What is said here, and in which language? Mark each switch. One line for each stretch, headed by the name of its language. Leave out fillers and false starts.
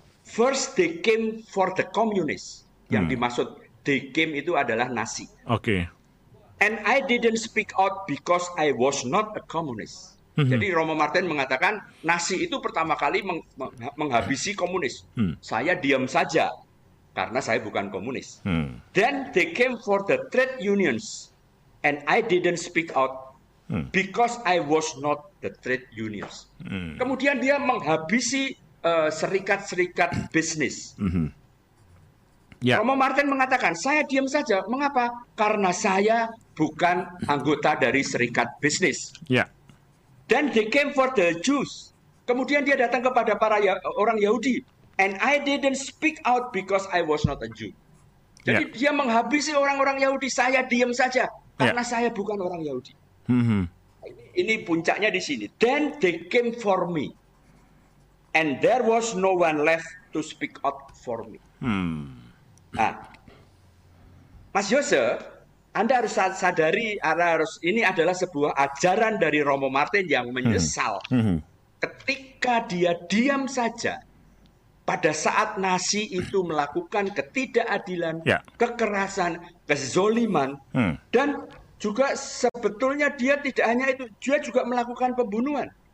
English: First they came for the communists.
Indonesian: Yang dimaksud they came itu adalah Nazi.
English: And I didn't speak out because I was not a communist.
Indonesian: Jadi Romo Martin mengatakan Nazi itu pertama kali menghabisi komunis. Saya diam saja karena saya bukan komunis.
English: Then they came for the trade unions and I didn't speak out because I was not the trade unions.
Indonesian: Kemudian dia menghabisi serikat-serikat bisnis. Romo Martin mengatakan saya diam saja. Mengapa? Karena saya bukan anggota dari serikat bisnis.
English: Then they came for the Jews.
Indonesian: Kemudian dia datang kepada para orang Yahudi.
English: And I didn't speak out because I was not a Jew.
Indonesian: Jadi dia menghabisi orang-orang Yahudi. Saya diam saja karena saya bukan orang Yahudi. Ini puncaknya di sini.
English: Then they came for me. And there was no one left to speak out for me.
Indonesian: Nah, Mas Yose, Anda harus sadari, ini adalah sebuah ajaran dari Romo Martin yang menyesal. Ketika dia diam saja, pada saat Nazi itu melakukan ketidakadilan, kekerasan, kezoliman, dan juga sebetulnya dia tidak hanya itu, dia juga melakukan pembunuhan.